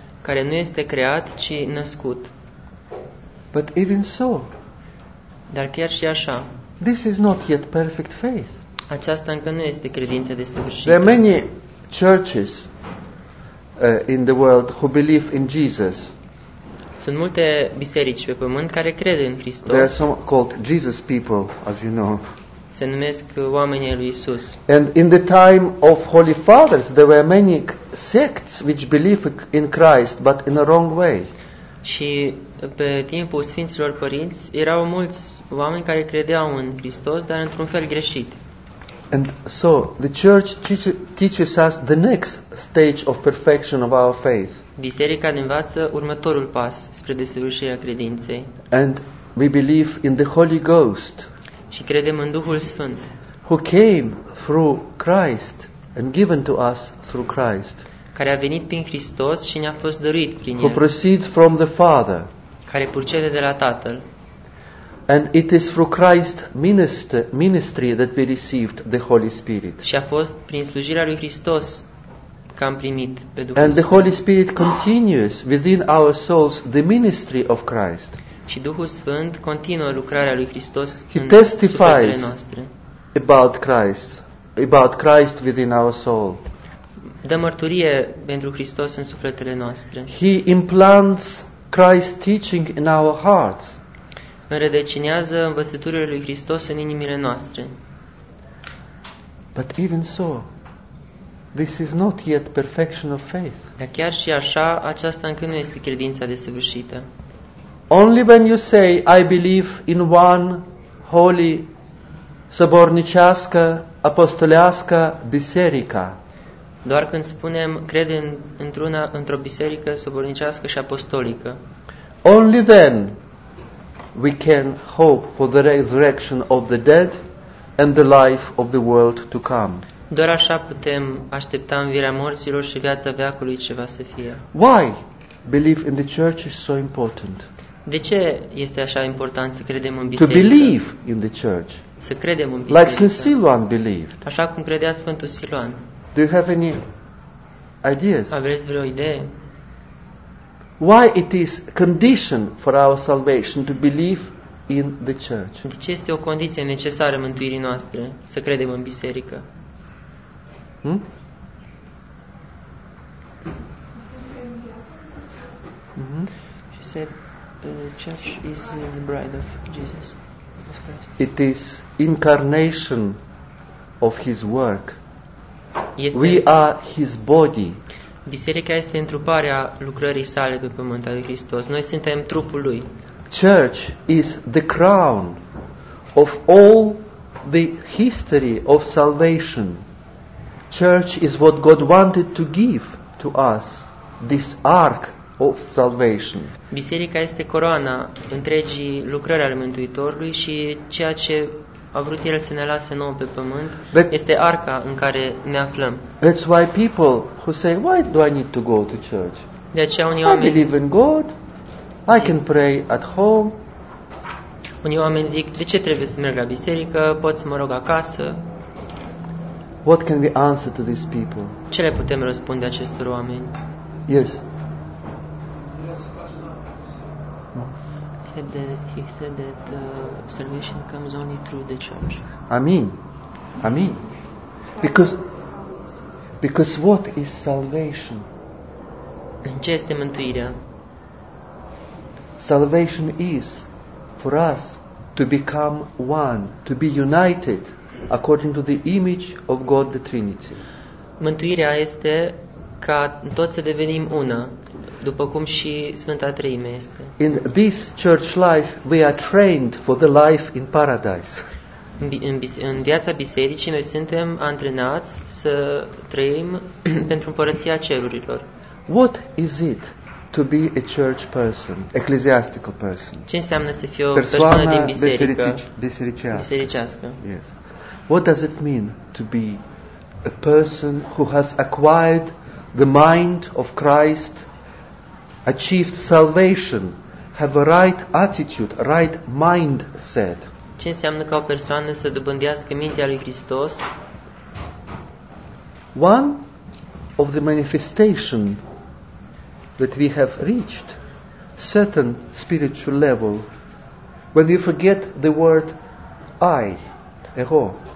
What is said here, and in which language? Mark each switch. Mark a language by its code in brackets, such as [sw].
[ro] Care nu este creat, ci născut. [en] But even so. [ro] Dar chiar și așa. [en] This is not yet perfect faith. [ro] Aceasta încă nu este credința desăvârșită. [en] There are many churches in the world who believe in Jesus. [ro] Sunt multe biserici pe pământ care cred în Hristos. [en] There are some called Jesus people, as you know. [ro] Se numesc oamenii lui Iisus. [en] And in the time of Holy Fathers, there were many sects which believe in Christ, but in a wrong way. [ro] Și pe timpul Sfinților Părinți erau mulți oameni care credeau în Hristos, dar într-un fel greșit. [en] And so, the Church teaches us the next stage of perfection of our faith. [ro] Biserica ne învață următorul pas spre desăvârșirea credinței. [en] And we believe in the Holy Ghost. [ro] Și credem în Duhul Sfânt. [en] Who came through Christ and given to us through Christ. [ro] Care a venit prin Hristos și ne-a fost dăruit prin El. [en] Who proceeds from the Father. [ro] Care purcede de la Tatăl. [en] And it is through Christ's ministry that we received the Holy Spirit. [ro] Și a fost prin slujirea lui Hristos că am primit pe Duhul Sfânt. [en] And the Holy Spirit continues within our souls the ministry of Christ. [ro] Și Duhul Sfânt continuă lucrarea lui Hristos în sufletele noastre. [en] He testifies about Christ. about Christ within our soul. [ro] Dă mărturie pentru Hristos în sufletele noastre. [en] He implants Christ's teaching in our hearts. [ro] Înrădăcinează învățăturile lui Hristos în inimile noastre. [en] But even so, this is not yet perfection of faith. [ro] Dar chiar și așa, aceasta încă nu este credința desăvârșită. [en] Only when you say, I believe in one holy, [ro] sobornicească, apostolească biserică. Doar când spunem, crede într-o biserică sobornicească și apostolică. [en] Only then we can hope for the resurrection of the dead and the life of the world to come. [ro] Doar așa putem aștepta învierea morților și viața veacului ce va să fie. [en] Why belief in the church is so important? [ro] De ce este așa important să credem în biserică? [en] To believe in the church. [ro] Să credem în biserică. [en] Like Saint Siluan believed. [ro] Așa cum credea Sfântul Siluan. [en] Do you have any ideas? [ro] Aveți vreo idee? [en] Why it is condition for our salvation to believe in the church? [ro] De ce este o condiție necesară mântuirii noastre să credem în biserică? [en] She said, the church is the bride of Jesus, of Christ. It is incarnation of His work. [ro] Este, [en] we are His body. [ro] Biserica este întruparea lucrării sale pe pământ al lui Hristos. Noi suntem trupul lui. [en] Church is the crown of all the history of salvation. Church is what God wanted to give to us, this ark of salvation. [ro] Biserica este coroana întregii lucrări ale Mântuitorului și ceea ce a vrut El să ne lase nouă pe pământ este arca în care ne aflăm. [en] That's why people who say, why do I need to go to church? [ro] De aceea unii oameni, [en] I believe in God, I can pray at home. [ro] Unii oameni zic, de ce trebuie să merg la biserică? Pot să mă rog acasă? [en] What can we answer to these people? [ro] Ce le putem răspunde acestor oameni? [en] Yes. He said that salvation comes only through the church. I mean. Because what is salvation? [ro] Ce este mântuirea? [en] Salvation is for us to become one, to be united according to the image of God the Trinity. [ro] Mântuirea este ca toți să devenim una, după cum și Sfânta Treime este. [en] In this church life we are trained for the life in paradise. [ro] În viața bisericii noi suntem antrenați să trăim pentru împărăția cerurilor. [en] What is it to be a church person, ecclesiastical person? [ro] Ce înseamnă să fii o persoană din biserică? Bisericească. Yes. [en] What does it mean to be a person who has acquired the mind of Christ, achieved salvation, have a right attitude, right mindset? [ro] Ce înseamnă ca o persoană să dobândească mintea lui Hristos? [en] One of the manifestation that we have reached certain spiritual level when you forget the word I, ego.